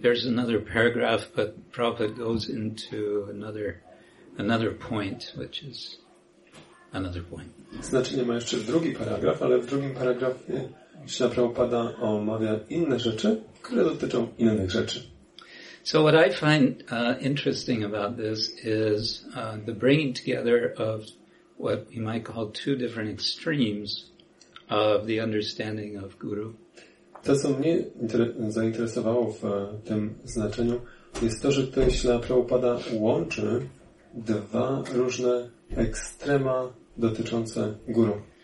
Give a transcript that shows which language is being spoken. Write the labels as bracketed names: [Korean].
[English] There's another paragraph, but Prabhupada goes into another point, which is another point. [Polish] Znaczenie ma jeszcze drugi paragraf, ale w drugim paragrafie Śla Prabhupada omawia inne rzeczy, które dotyczą innych rzeczy. [English] So what I find interesting about this is the bringing together of what we might call two different extremes of the understanding of guru. [Polish] To, co mnie zainteresowało w tym znaczeniu, jest to, że tutaj Śla Prabhupada łączy dwa różne ekstrema dotyczące guru.